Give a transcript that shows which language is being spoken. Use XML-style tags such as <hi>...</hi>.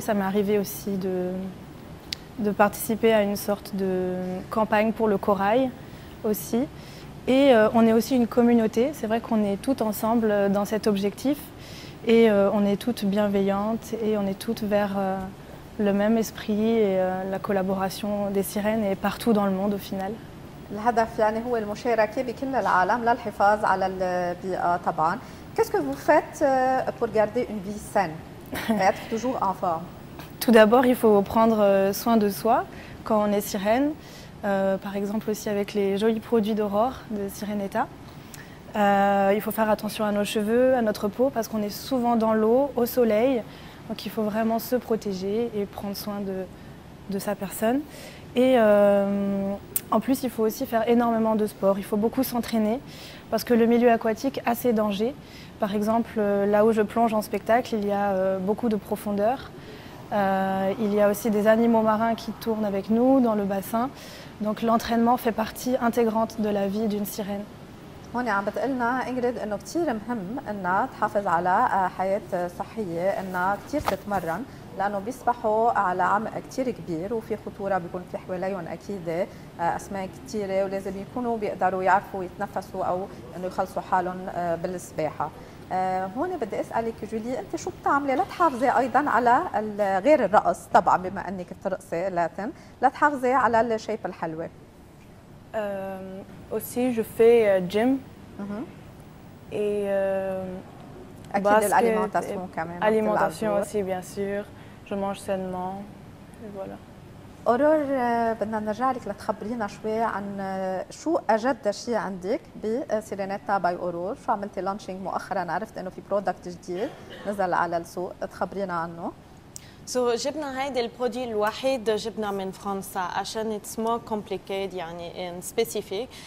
<fr>Ça m'est arrivé aussi de participer à une sorte de campagne pour le corail. Aussi. Et on est aussi une communauté. C'est vrai qu'on est toutes ensemble dans cet objectif. Et on est toutes bienveillantes et on est toutes vers le même esprit et la collaboration des sirènes et partout dans le monde au final.</fr> <ar>L'هدف يعني هو المشاركة بكل العالم للحفاظ على البيئة طبعا.</ar> <fr>Qu'est-ce que vous faites pour garder une vie saine et être toujours en forme? Tout d'abord, il faut prendre soin de soi quand on est sirène. Par exemple aussi avec les jolis produits d'Aurore de Sirenetta. Il faut faire attention à nos cheveux, à notre peau, parce qu'on est souvent dans l'eau, au soleil. Donc il faut vraiment se protéger et prendre soin de, de sa personne. Et en plus, il faut aussi faire énormément de sport. Il faut beaucoup s'entraîner parce que le milieu aquatique a ses dangers. Par exemple, là où je plonge en spectacle, il y a beaucoup de profondeur. Il y a aussi des animaux marins qui tournent avec nous dans le bassin. Donc l'entraînement fait partie intégrante de la vie d'une sirène.</fr> <ar>هون عم بتقلنا إنجريد إنه كتير مهم إنها تحافظ على حياة صحية، إنها كتير تتمرن لأنه بيسبحوا على عمق كتير كبير وفي خطورة بيكون في حواليهم أكيد أسماك كتيرة ولازم يكونوا بيقدروا يعرفوا يتنفسوا أو إنه يخلصوا حالهم بالسباحة. هون بدي أسألك جولي، أنت شو بتعملي لتحافظي أيضا على غير الرقص طبعا بما إنك بترقصي لاتن، لتحافظي على الشيب الحلوة؟</ar> <fr>Aussi, je fais gym et basket, l'alimentation, quand même, alimentation aussi, bien sûr. Je mange sainement. Et voilà.</fr> <ar>أورور بدنا نرجع لك لتخبرينا شوي عن شو أجد شيء عندك بسيرينيتا باي أورور، شو عملتي لانشينج مؤخرا، عرفت إنه في برودكت جديد نزل على السوق، تخبرينا عنه. So, جبنا هيدي البرودوي الوحيد جبنا من فرنسا عشان</ar> <en>it's more complicated</en> <ar>يعني</ar> <en>and specific.</en>